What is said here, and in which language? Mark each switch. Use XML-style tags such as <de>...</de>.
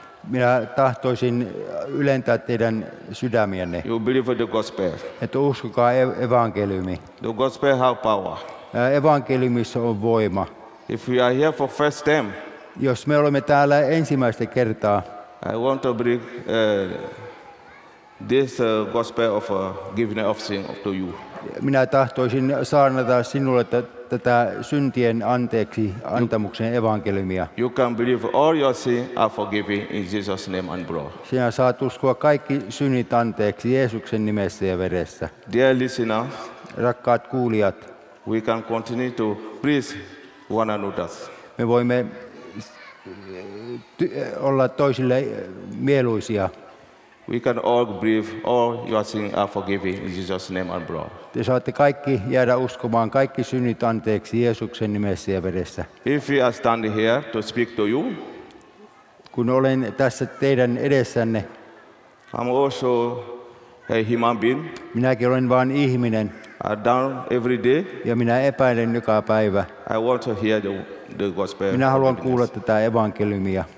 <fi>Minä tahtoisin ylentää teidän sydämienne.</fi> <en>You believe the gospel.</en> <fi>Että uskokaa evankeliumi.</fi> <en>The gospel has power.</en> <fi>Evankeliumissa on voima.</fi> <en>If we are here for first time,</en> <fi>jos me olemme täällä ensimmäistä kertaa,</fi> <en>I want to bring this gospel of giving of sin to you.</en> <fi>Minä tahtoisin saarnata sinulle tätä syntien anteeksi antamuksen evankeliumia.</fi> <en>You can believe all your sins are forgiven in Jesus' name and blood.</en> <fi>Sinä saat uskoa kaikki synnit anteeksi Jeesuksen nimessä ja veressä.</fi> <en>Dear listeners,</en> <fi>rakkaat kuulijat,</fi> <en>we can continue to please one another.</en> <fi>Me voimme olla toisille mieluisia.</fi> <en>We can all believe all your sins are forgiven in Jesus' name and blood.</en> <fi>Te saatte kaikki jäädä uskomaan kaikki synnit anteeksi Jeesuksen nimessä ja veressä.</fi> <en>If we are standing here to speak to you,</en> <fi>kun olen tässä teidän edessänne,</fi> <en>I'm also a human being.</en> <fi>Minäkin olen vain ihminen.</fi> <en>I down every day.</en> <fi>Ja minä epäilen joka päivä.</fi> <en>I want to hear the gospel.</en> <fi>Minä haluan kuulla tätä evankeliumia.</fi>